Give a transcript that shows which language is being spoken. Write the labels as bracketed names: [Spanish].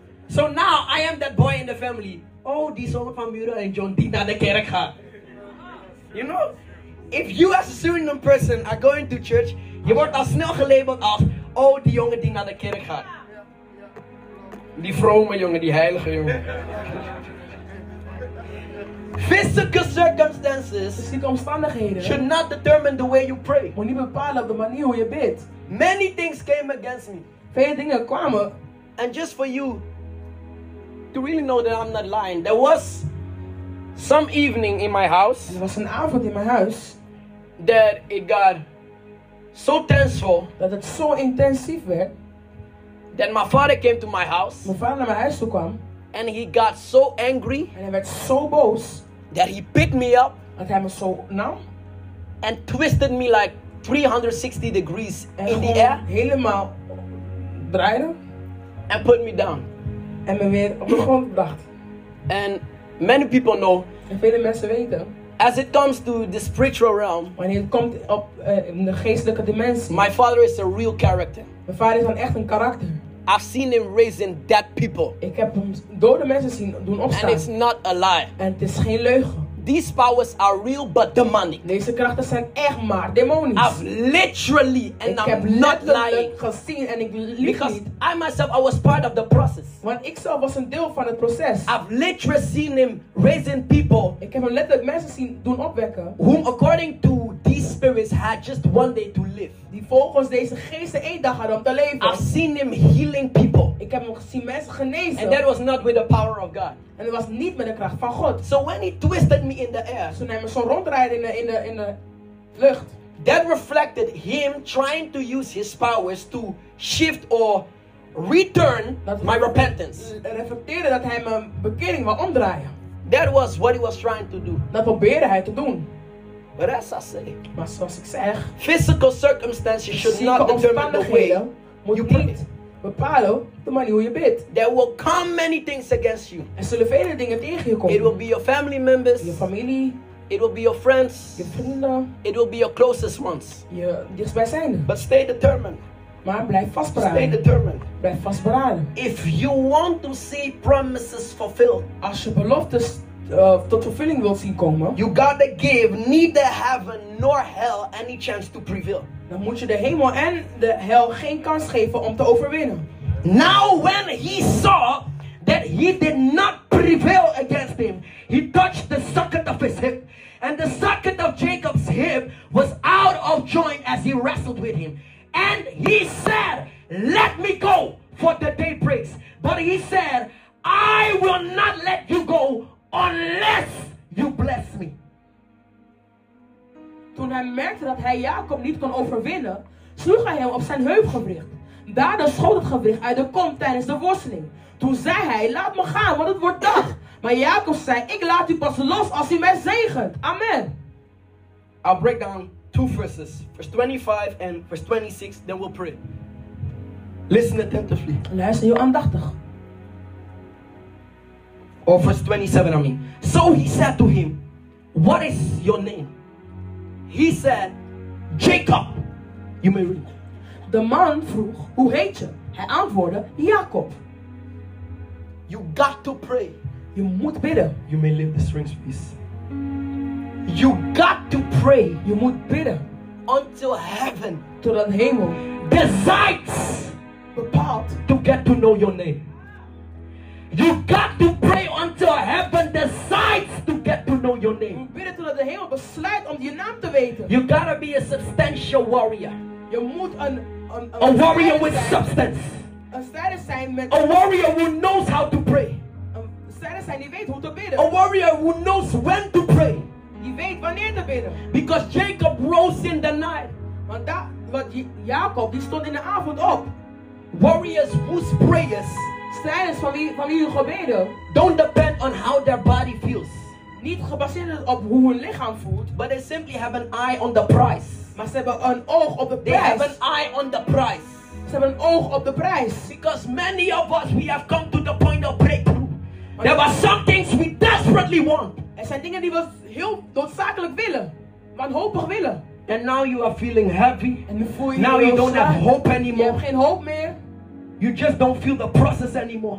[English] So now I am that boy in the family. [Dutch] Oh, die zoon van Muren en John die naar de kerk gaan. [English] You know, if you as a Surinam person are going to church, [Dutch] je wordt al snel gelabeld als, oh, die jongen die naar de kerk gaat. Die vrome jongen, die heilige jongen. [English] Physical circumstances should not determine the way you pray. [Dutch] Moet niet bepalen op de manier hoe je bidt. [English] Many things came against me. [Dutch] Veel dingen kwamen. [English] And just for you, to really know that I'm not lying, there was some evening in my house. [Dutch] Er was een avond in mijn huis [English] that it got so tense. [Dutch] Dat het zo intensief werd. [English] That my father came to my house. [Dutch] Mijn vader naar mijn huis toe kwam. [English] And he got so angry. [Dutch] En hij werd zo boos. [English] That he picked me up. [Dutch] Dat hij me zo nam. [English] And twisted me like 360 degrees [Dutch] en [English] in the air. [Dutch] Helemaal draaide. [English] And put me down. [Dutch] En me weer op de grond gebracht. [English] And many people know. [Dutch] En vele mensen weten. [English] As it comes to the spiritual realm. [Dutch] Wanneer het komt op in de geestelijke dimensie. [English] My father is a real character. [Dutch] Mijn vader is dan echt een karakter. [English] I've seen him raising dead people. [Dutch] Ik heb hem dode mensen zien doen opstaan. [English] And it's not a lie. [Dutch] En het is geen leugen. [English] These powers are real but demonic. [Dutch] Deze krachten zijn echt maar demonisch. [English] I've literally and [Dutch] ik [English] I'm not lying [Dutch] gezien en ik lieg [English] because [Dutch] niet. [English] I myself I was part of the process. [Dutch] Want ik zelf was een deel van het proces. [English] I've literally seen him raising people. [Dutch] Ik heb hem letterlijk mensen zien doen opwekken. [English] Whom according to these spirits had just one day to live. [Dutch] Die volgens deze geesten één dag hadden om te leven. [English] I've seen him healing people. [Dutch] Ik heb hem gezien mensen genezen. [English] And that was not with the power of God. [Dutch] En het was niet met de kracht van God. [English] So when he twisted me in the air. [Dutch] Toen hij me zo rondrijden in de lucht. [English] That reflected him trying to use his powers to shift or return my repentance. [Dutch] Dat reflecteerde dat hij mijn bekering wil omdraaien. [English] That was what he was trying to do. [Dutch] Dat probeerde hij te doen. [English] But as I say. [Dutch] Maar zoals ik zeg. [English] Physical circumstances should not determine the way you pray. [Dutch] Bepalen de manier hoe je bidt. [English] There will come many things against you. [Dutch] Er zullen vele dingen tegen je komen. [English] It will be your family members. [Dutch] Je familie. [English] It will be your friends. [Dutch] Je vrienden. [English] It will be your closest ones. [Dutch] Je dichtstbijzijnde. [English] But stay determined. [Dutch] Maar blijf vastberaden. [English] Stay determined. [Dutch] Blijf vastberaden. [English] If you want to see promises fulfilled. [Dutch] Als je beloftes tot vervulling wilt zien komen. [English] You gotta give neither heaven nor hell any chance to prevail. [Dutch] Dan moet je de hemel en de hel geen kans geven om te overwinnen. [English] Now when he saw that he did not prevail against him, he touched the socket of his hip. And the socket of Jacob's hip was out of joint as he wrestled with him. And he said, let me go for the day breaks. But he said, I will not let you go unless you bless me. [Dutch] Toen hij merkte dat hij Jacob niet kon overwinnen, sloeg hij hem op zijn heupgewricht. Daardoor schoot het gewricht uit de kom tijdens de worsteling. Toen zei hij, laat me gaan, want het wordt dag. Maar Jacob zei, ik laat u pas los als u mij zegent. [English] Amen. I'll break down two verses. Verse 25 and verse 26, then we'll pray. Listen attentively. [Dutch] Luister heel aandachtig. [English] Or verse 27, I mean. So he said to him, what is your name? He said, Jacob. You may read. [Dutch] De man vroeg, hoe heet je? Hij antwoordde, Jacob. [English] You got to pray. [Dutch] Je moet bidden. [English] You may leave the strings, please. You got to pray. [Dutch] Je moet bidden. [English] Until heaven. [Dutch] Tot de hemel. [English] Decides. About to get to know your name. You got to pray until heaven decides to get to know your name. [Dutch] Je moet bidden totdat de hemel besluit om je naam te weten. [English] You gotta be a substantial warrior. [Dutch] Je moet [English] a warrior with substance. [Dutch] Een strijder zijn met [English] a warrior who knows how to pray. [Dutch] Een strijder zijn die weet hoe te bidden. [English] A warrior who knows when to pray. [Dutch] Die weet wanneer te bidden. [English] Because Jacob rose in the night. [Dutch] Want Jacob die stond in de avond op. [English] Warriors whose prayers. [Dutch] Strijders van wie hun gebeden. [English] Don't depend on how their body feels. [Dutch] Niet gebaseerd op hoe hun lichaam voelt. [English] But they simply have an eye on the prize. [Dutch] Maar ze hebben een oog op de prijs. [English] They have an eye on the prize. [Dutch] Ze hebben een oog op de prijs. [English] Because many of us, we have come to the point of breakthrough. There were some things we desperately want. [Dutch] Er zijn dingen die we heel noodzakelijk willen. Wanhopig willen. [English] And now you are feeling heavy. [Dutch] En nu voel je [English] now you don't have hope anymore. [Dutch] Je hebt geen hoop meer. [English] You just don't feel the process anymore.